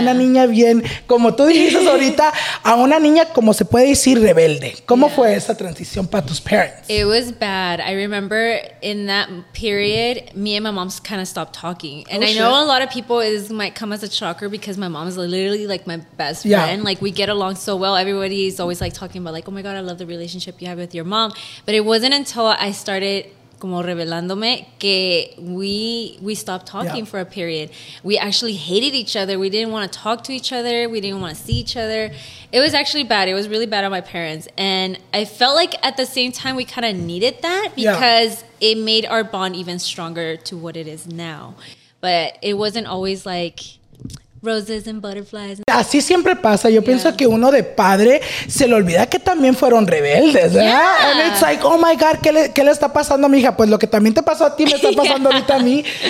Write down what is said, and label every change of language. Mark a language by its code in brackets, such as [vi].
[es] una niña bien, como tú dijiste ahorita, a una niña como se puede decir rebelde? ¿Cómo fue esa transición para tus [en] parents? It was bad. I remember in that period, me and my mom kind of stopped talking. And I know a lot of people, it might come as a shocker because my mom is literally, like, my best friend. Like, we get along so well. Everybody is always, like, talking about, like, oh my God, I love the relationship you have with your mom. But it wasn't until I started [es] como revelándome que [en] we stopped talking for a period. We actually hated each other. We didn't want to talk to each other. We didn't want to see each other. It was actually bad. It was really bad on my parents. And I felt like at the same time we kind of needed that because it made our bond even stronger to what it is now. But it wasn't always like roses and butterflies. [es] así siempre pasa. Yo pienso que uno de padre se le olvida que también fueron rebeldes, ¿verdad? [en] Yeah. And it's like, oh my God, [es] ¿qué le está pasando a mi hija? Pues lo que también te pasó a ti me está pasando ahorita a mí.